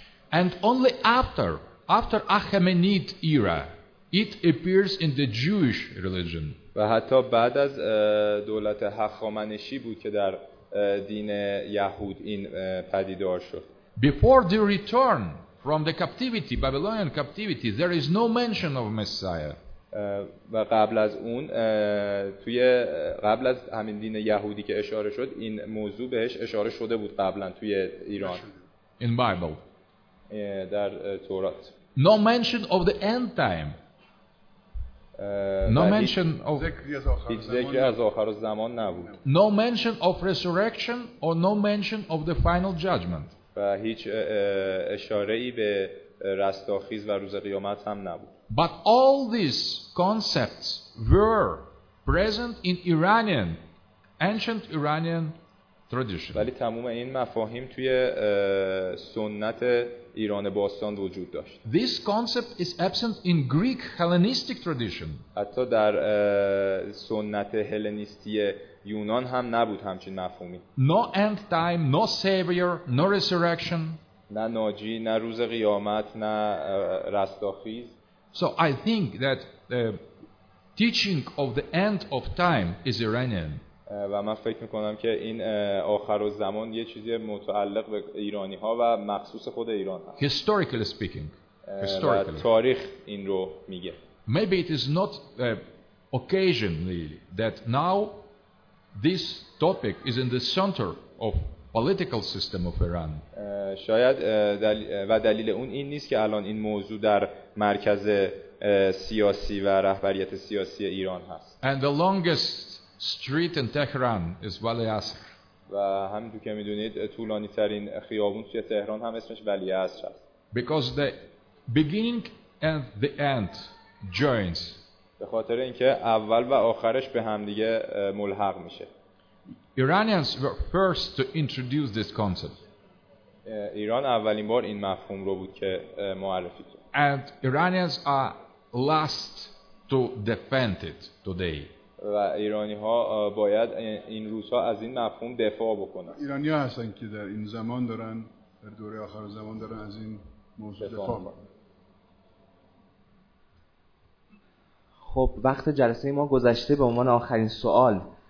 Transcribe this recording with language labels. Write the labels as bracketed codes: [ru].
[en] And only after Achaemenid era it appears in the Jewish religion. [fa] و حتی بعد از دولت هخامنشی بود که در دین یهود این پدیدار شد. [en] Before the return from the captivity, Babylonian captivity, there is no mention of Messiah. [fa] و قبل از اون توی قبل از همین دین یهودی که اشاره شد این موضوع بهش اشاره شده بود قبلا توی ایران. [en] In Bible. [fa] در تورات. [en] No mention of the end time. No mention of [fa] هیچ ذکری از آخر زمان نبود. [en] No mention of resurrection or no mention of the final judgment. [fa] و هیچ اشاره ای به رستاخیز و روز قیامت هم نبود. [en] But all these concepts were present in Iranian, ancient Iranian tradition. [fa] ولی تمام این مفاهیم توی سنت ایران باستان وجود داشت. [en] This concept is absent in Greek Hellenistic tradition. [fa] حتی در سنت هلنیستی یونان هم نبود همچین مفهومی. [en] No end time, no savior, no resurrection. [fa] نه ناجی، نه روز قیامت، نه رستاخیز. [en] So I think that the teaching of the end of time is Iranian. [fa] و من فکر می‌کنم که این آخر الزمان یه چیزی متعلق به ایرانی‌ها و مخصوص خود ایران هست. [en] Historically speaking. [fa] تاریخ این رو میگه. [en] Maybe it is not occasionally that now this topic is in the center of political system of Iran. [fa] شاید و دلیل اون این نیست که الان این موضوع در مرکز سیاسی و رهبریت سیاسی ایران هست. [en] And the longest street in Tehran is Vali Asr. [fa] و همینطور که میدونید طولانی ترین خیابون توی تهران هم اسمش ولی عصر است. [en] Because the beginning and the end joins. [fa] به خاطر اینکه اول و آخرش به هم دیگه ملحق میشه. [en] Iranians were first to introduce this concept. [fa] ایران اولین بار این مفهوم رو بود که معرفی کرد. [en] And Iranians are last to defend it today. [fa] و ایرانی‌ها باید این روزها از این مفهوم دفاع بکنن. ایرانی‌ها هستن که در این زمان دارن در دوره آخر زمان دارن از این موضوع دفاع میکنن. خب وقت جلسه ما گذشته به عنوان آخرین سوال.